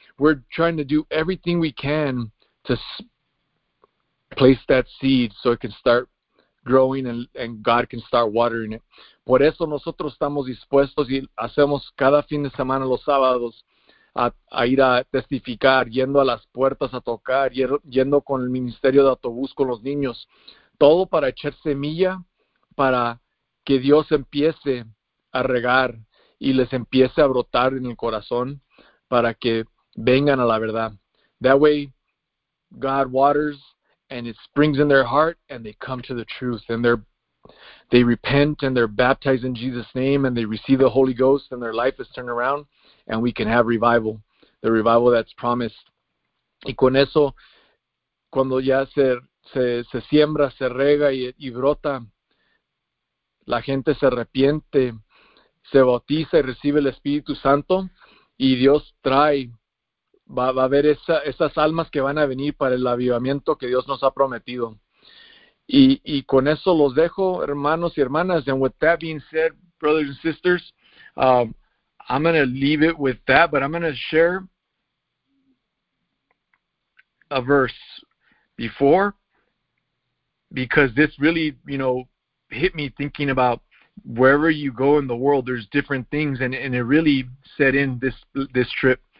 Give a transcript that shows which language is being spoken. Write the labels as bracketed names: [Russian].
[English] We're trying to do everything we can to place that seed so it can start growing and God can start watering it. [Spanish] Por eso nosotros estamos dispuestos y hacemos cada fin de semana los sábados a ir a testificar, yendo a las puertas a tocar, yendo con el ministerio de autobús con los niños. Todo para echar semilla, para que Dios empiece a regar y les empiece a brotar en el corazón, para que vengan a la verdad. [English] That way, God waters and it springs in their heart and they come to the truth and they repent and they're baptized in Jesus' name and they receive the Holy Ghost and their life is turned around and we can have revival, the revival that's promised. [Spanish] Y con eso, cuando ya se siembra, se rega y brota. La gente se arrepiente, se bautiza y recibe el Espíritu Santo y Dios trae, va a haber esas almas que van a venir para el avivamiento que Dios nos ha prometido. Y con eso los dejo, hermanos y hermanas. [English] And with that being said, brothers and sisters, I'm going to leave it with that, but I'm going to share a verse before. Because this really, hit me thinking about wherever you go in the world, there's different things, and it really set in this trip.